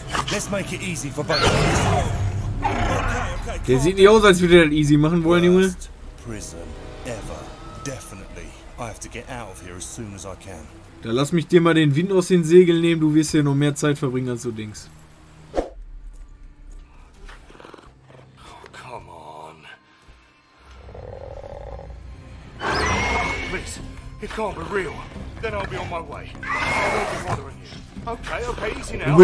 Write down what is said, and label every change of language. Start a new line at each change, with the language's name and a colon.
English: Let's make it easy for both of us.
German: Der sieht nicht aus, als würde er das easy machen wollen, Junge.
English: Worst prison ever. Definitely. I have to get out of here as soon as I can.
German: Da lass mich dir mal den Wind aus den Segeln nehmen, du wirst hier noch mehr Zeit verbringen, als du denkst.
English: Oh, come on. Please, it can't be real. Then I'll be on my way. I won't be bothering. Okay, easy now.